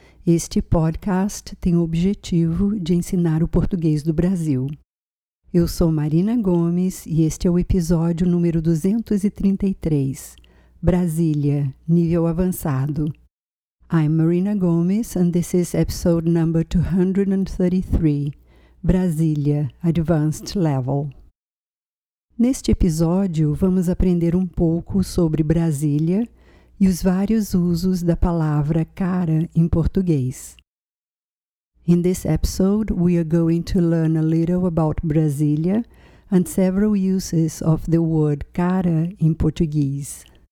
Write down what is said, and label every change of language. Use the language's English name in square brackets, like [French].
[Portuguese] Este podcast tem o objetivo de ensinar o português do Brasil. Eu sou Marina Gomes e este é o episódio número 233, Brasília, nível avançado. [English] I'm Marina Gomes and this is episode number 233, Brasília, Advanced Level. [Portuguese] Neste episódio, vamos aprender um pouco sobre Brasília e os vários usos da palavra cara em português. [English] In this episode, we are going to learn a little about Brasília and several uses of the word cara in Portuguese.